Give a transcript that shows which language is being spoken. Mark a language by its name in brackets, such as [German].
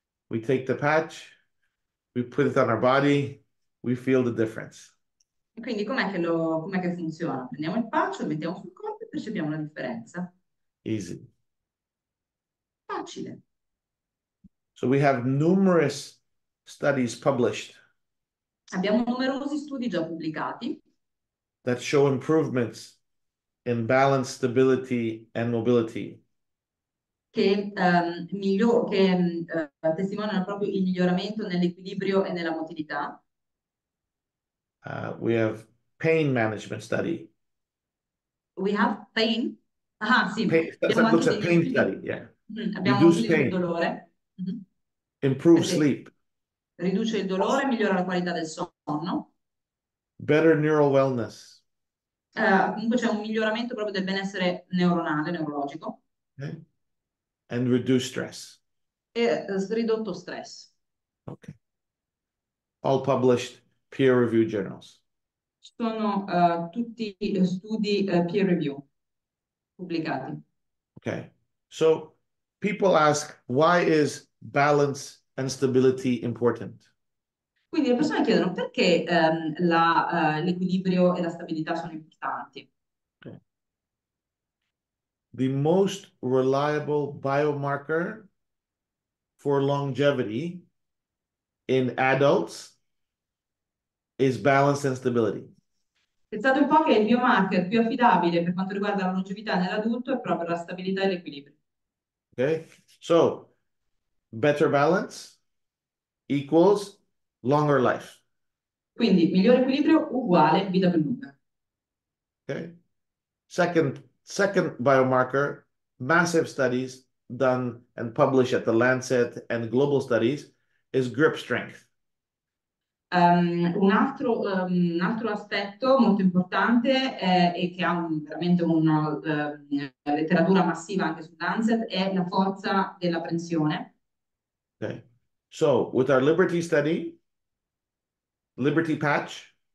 [English] We take the patch, we put it on our body, we feel the difference. [Italian] Quindi com'è che funziona? Prendiamo il patch, lo mettiamo sul corpo e percepiamo la differenza. [English] Easy. [Italian] Facile. [English] So we have numerous studies published. [Italian] Abbiamo numerosi studi già pubblicati. [English] That show improvements in balance, stability and mobility. [Italian] Che testimoniano proprio il miglioramento nell'equilibrio e nella motilità. [English] We have pain management study. We have pain. [Italian] Ah, sì. [English] Pain, that's a pain study, yeah. [Italian] Abbiamo [English] Reduce pain. [Italian] Dolore. [English] Mm-hmm. Improve sleep. [Italian] Riduce il dolore, migliora la qualità del sonno. [English] Better neural wellness. [Italian] Comunque c'è un miglioramento proprio del benessere neuronale, neurologico. [English] Okay. And reduce stress. [Italian] E ridotto stress. [English] Okay. All published peer-reviewed journals. [Italian] Sono tutti studi peer review pubblicati. Okay. [English] So people ask, why is balance and stability important? [Italian] Quindi le persone chiedono perché l'equilibrio e la stabilità sono importanti. [English] The most reliable biomarker for longevity in adults is balance and stability. [Italian] Pensate un po' che il biomarker più affidabile per quanto riguarda la longevità nell'adulto è proprio la stabilità e l'equilibrio. [English] Okay, so better balance equals longer life. [Italian] Quindi migliore equilibrio uguale vita più lunga. Okay. [English] Second biomarker, massive studies done and published at the Lancet and global studies, is grip strength. [Italian] Un altro aspetto molto importante e che ha veramente una letteratura massiva anche su Lancet è la forza della prensione. [English] Okay. So with our Liberty study, Liberty patch,